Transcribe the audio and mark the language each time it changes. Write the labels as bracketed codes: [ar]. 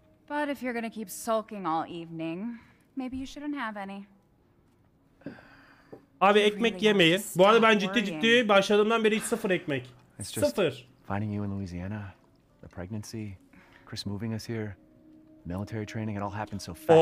[en] But if you're gonna keep sulking all evening, maybe you shouldn't have any. [tr] Abi ekmek yemeyin. Bu arada ben ciddi ciddi başladığımdan beri hiç sıfır ekmek. [en] It's just [tr] sıfır. [en] finding you in Louisiana, the pregnancy, Chris moving us here, military training, it all happened so fast.